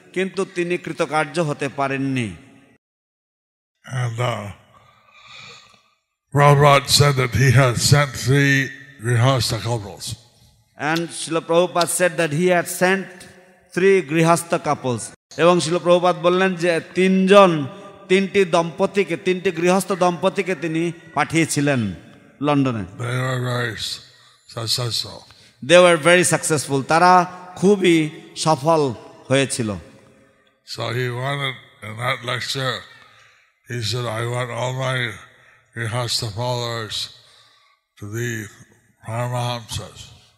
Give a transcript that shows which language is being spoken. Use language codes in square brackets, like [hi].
[bn] কিন্তু তিনি কৃতকার্য হতে পারেননি. [en] And Prabhupada said that he had sent three grihastha couples. And Srila Prabhupada said that he had sent three grihastha couples. [bn] এবং Srila Prabhupada বললেন যে তিনজন তিনটি দম্পতিকে তিনটি গৃহস্থ দম্পতিকে তিনি পাঠিয়েছিলেন লন্ডনে. [en] They were very successful. They were very successful. [bn] তারা খুবই সফল হয়েছিল. [en] So he wanted, in that lecture, he said, I want all my grihastha followers to be Paramahamsas.